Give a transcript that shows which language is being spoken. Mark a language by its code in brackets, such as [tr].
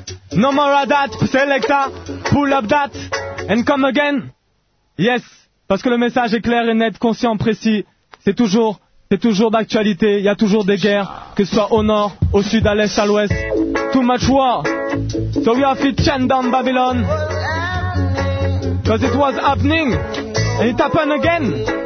[en] No more of that, Selecta, pull up that and come again. [fr] Yes, parce que le message est clair et net, conscient, précis. C'est toujours d'actualité. Il y a toujours des guerres, que ce soit au nord, au sud, à l'est, à l'ouest. [en] Too much war. So we have to chain down Babylon. Cause it was happening and it happened again.